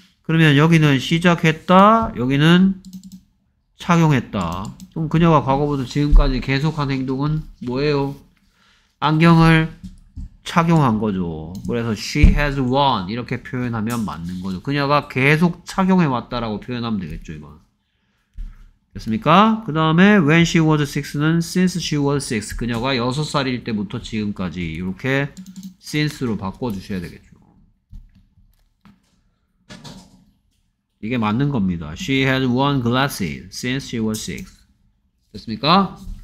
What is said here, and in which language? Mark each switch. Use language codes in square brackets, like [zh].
[ko] 그러면 여기는 시작했다, 여기는 착용했다. 그럼 그녀가 과거부터 지금까지 계속한 행동은 뭐예요? 안경을 착용한 거죠. 그래서 [en] she has worn [ko] 이렇게 표현하면 맞는 거죠. 그녀가 계속 착용해 왔다라고 표현하면 되겠죠, 이건. 됐습니까? [en] 그 다음에 when she was six는 since she was six. [ko] 그녀가 6살일 때부터 지금까지 이렇게 since로 바꿔주셔야 되겠죠. 이게 맞는 겁니다. [en] She had worn glasses since she was six. [ko] 됐습니까?